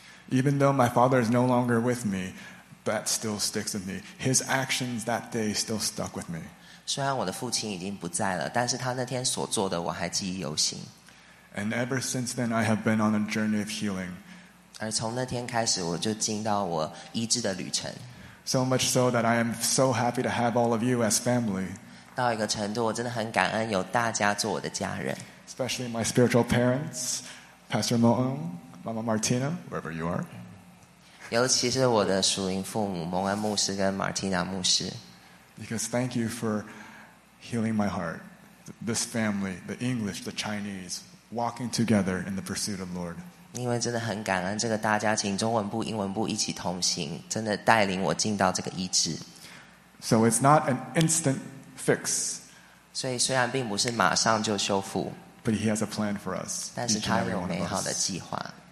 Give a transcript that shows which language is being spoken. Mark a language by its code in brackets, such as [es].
[en] Even though my father is no longer with me, that still sticks with me. His actions that day still stuck with me. [zh] 虽然我的父亲已经不在了，但是他那天所做的我还记忆犹新。 [en] And ever since then, I have been on a journey of healing. [zh] 而从那天开始，我就进到我医治的旅程。 [en] So much so that I am so happy to have all of you as family. [zh] 到一个程度，我真的很感恩有大家做我的家人。 [en] Especially my spiritual parents, Pastor Mo'ong, Mama Martina, wherever you are. [zh] 尤其是我的属灵父母蒙恩牧师跟 Martina 牧师。 [en] Because thank you for healing my heart. This family, the English, the Chinese. Walking together in the pursuit of the Lord. [zh] 因为真的很感恩这个大家庭，中文部、英文部一起同行，真的带领我进到这个医治。 [en] So it's not an instant fix. [zh] 所以虽然并不是马上就修复。 [en] But he has a plan for us. [zh] 但是他有美好的计划。